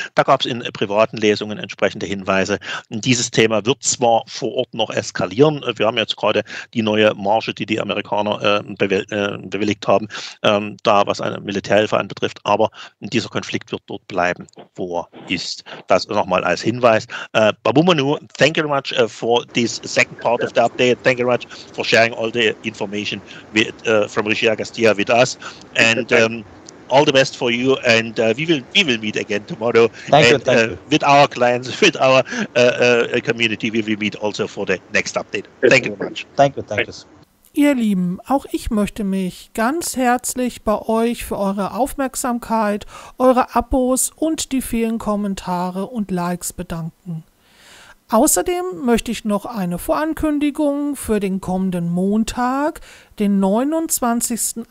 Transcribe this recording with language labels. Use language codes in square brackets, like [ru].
[de] Da gab es in privaten Lesungen entsprechende Hinweise. Dieses Thema wird zwar vor Ort noch eskalieren. Wir haben jetzt gerade die neue Marge, die die Amerikaner bewilligt haben, da was eine Militärhilfe anbetrifft. Aber dieser Konflikt wird dort bleiben, wo er ist. Das nochmal als Hinweis. [en] Babumanu, thank you very much for this second part of the update. Thank you very much for sharing all the information from Richard Castilla with us. And all the best for you, and we will meet again tomorrow. Thank you. With our clients, with our community, we will meet also for the next update. Thank you very much. Thank you. [de] Ihr Lieben, auch ich möchte mich ganz herzlich bei euch für eure Aufmerksamkeit, eure Abos und die vielen Kommentare und Likes bedanken. Außerdem möchte ich noch eine Vorankündigung für den kommenden Montag, den 29.